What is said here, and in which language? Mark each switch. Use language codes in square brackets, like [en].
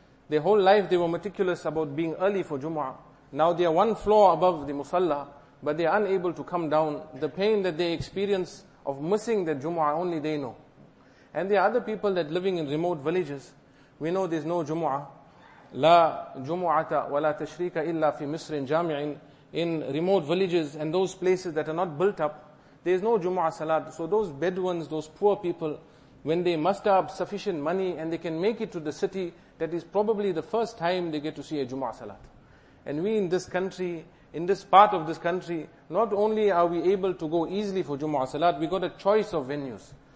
[en] Their whole life they were meticulous about being early for Jumu'ah. Now they are one floor above the Musalla, but they are unable to come down. The pain that they experience of missing the Jumu'ah, only they know. And there are other people that living in remote villages, we know there's no Jumu'ah. [ar] لا جمعه ولا تشريك الا في مصر جامع. [en] In remote villages and those places that are not built up, there is no Jumu'ah salat. So those Bedouins, those poor people, when they muster up sufficient money and they can make it to the city, that is probably the first time they get to see a Jumu'ah salat. And we in this country, in this part of this country, not only are we able to go easily for Jumu'ah salat, we got a choice of venues.